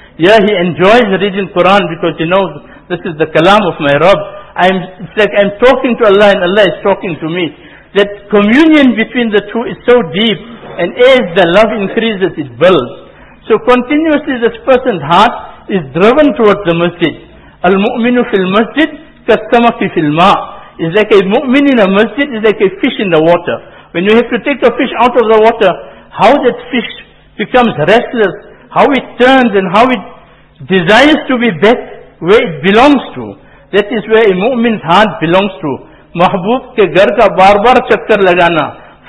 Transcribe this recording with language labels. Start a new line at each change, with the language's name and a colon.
English: Yeah, he enjoys reading Quran because he knows this is the kalam of my Rabb. It's like I'm talking to Allah and Allah is talking to me. That communion between the two is so deep, and as the love increases, it builds. So continuously this person's heart is driven towards the masjid.
Arabic: المؤمن في المسجد كالسمك في الماء.
English: It's like a mu'min in a masjid is like a fish in the water. When you have to take a fish out of the water, how that fish becomes restless, how it turns and how it desires to be back where it belongs to. That is where a mu'min's heart belongs to.
Hindi: Mahbub ke ghar ka bar bar chakkar lagana.